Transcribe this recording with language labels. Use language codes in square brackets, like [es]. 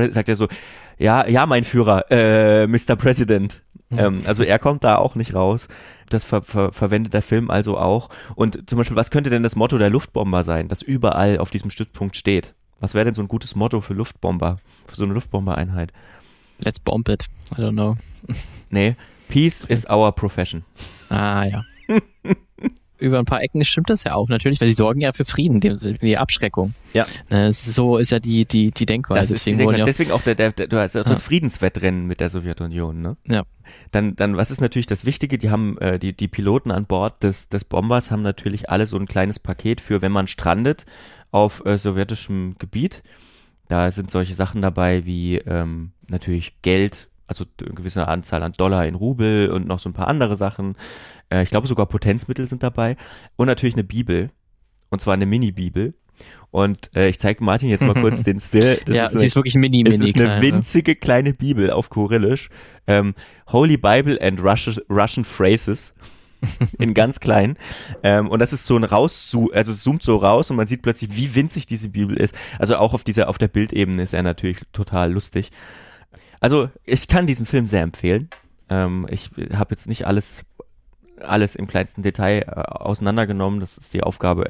[de] President, sagt er so, ja mein Führer, Mr. President. Also er kommt da auch nicht raus. Das verwendet der Film also auch. Und zum Beispiel, was könnte denn das Motto der Luftbomber sein, das überall auf diesem Stützpunkt steht? Was wäre denn so ein gutes Motto für Luftbomber, für so eine Luftbombereinheit? [en] Let's bomb it. I don't know. Nee, peace is our profession. [de] Ah ja. Über ein paar Ecken stimmt das ja auch natürlich, weil sie sorgen ja für Frieden, die Abschreckung. Ja. So ist ja die Denkweise. Das ist die Denkweise. Deswegen auch du hast auch das Friedenswettrennen mit der Sowjetunion, ne? Ja. Dann was ist natürlich das Wichtige? Die haben die Piloten an Bord des Bombers haben natürlich alle so ein kleines Paket für, wenn man strandet auf sowjetischem Gebiet. Da sind solche Sachen dabei wie natürlich Geld, also eine gewisse Anzahl an Dollar in Rubel und noch so ein paar andere Sachen. Ich glaube sogar Potenzmittel sind dabei. Und natürlich eine Bibel. Und zwar eine Mini-Bibel. Und ich zeige Martin jetzt mal kurz den Still. Sie ist wirklich mini. Es ist eine winzige kleine Bibel auf Kyrillisch. [en] Holy Bible and Russian Phrases. [de] In ganz klein. Und das ist so ein also es zoomt so raus und man sieht plötzlich, wie winzig diese Bibel ist. Also auch auf der Bildebene ist er natürlich total lustig. Also ich kann diesen Film sehr empfehlen. Ich habe jetzt nicht alles alles im kleinsten Detail auseinandergenommen. Das ist die Aufgabe.